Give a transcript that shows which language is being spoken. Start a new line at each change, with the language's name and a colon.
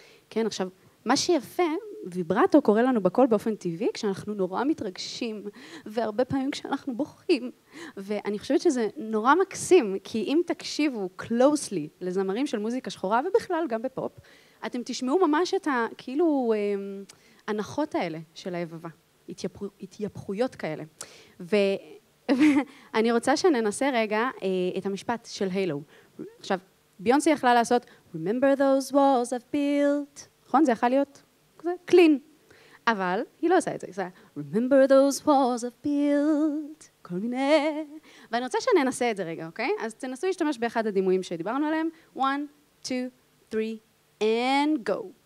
Hebrew: כן, עכשיו, מה שיפה, ויברטו קורה לנו בכל באופן טבעי, כשאנחנו נורא מתרגשים, והרבה פעמים כשאנחנו בוכים, ואני חושבת שזה נורא מקסים, כי אם תקשיבו
English: closely
Hebrew: לזמרים של מוזיקה שחורה, ובכלל גם בפופ, אתם תשמעו ממש את ה, כאילו, הנחות האלה של היבבה, התייפחויות כאלה. ואני רוצה שננסה רגע את המשפט של הילו. עכשיו, ביונסי יכלה לעשות,
English: Remember those walls I've built.
Hebrew: נכון? זה יכול להיות כזה,
English: clean.
Hebrew: אבל היא לא עושה את זה, היא עושה,
English: Remember those walls I've built.
Hebrew: כל מיני. ואני רוצה שננסה את זה רגע, אוקיי? אז תנסו להשתמש באחד הדימויים שדיברנו עליהם.
English: 1, 2, 3, and go.